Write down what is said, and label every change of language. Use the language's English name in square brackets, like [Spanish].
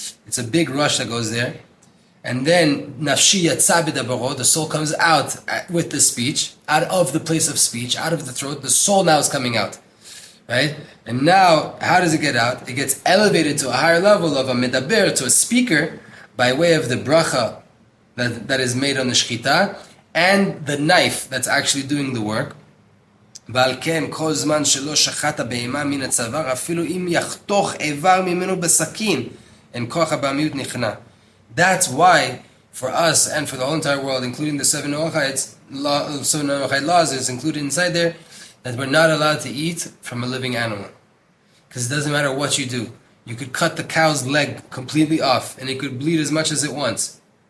[English] It's a big rush that goes there. And then, nafshi yatza b'davaro, the soul comes out with the speech, out of the place of speech, out of the throat, the soul now is coming out. Right? And now, how does it get out? It gets elevated to a higher level of a medaber, to a speaker, by way of the bracha that is made on the shechita, and the knife that's actually doing the work. [Hebrew] ועל כן כל זמן שלא שחט הבהמה מן הצוואר אפילו אם יחתוך איבר ממנו בסכין אין כוח הבהמיות נכנע. [English] That's why for us and for the whole entire world, including the seven Noahide laws is included inside there, that we're not allowed to eat from a living animal. Because it doesn't matter what you do. You could cut the cow's leg completely off and it could bleed as much as it wants.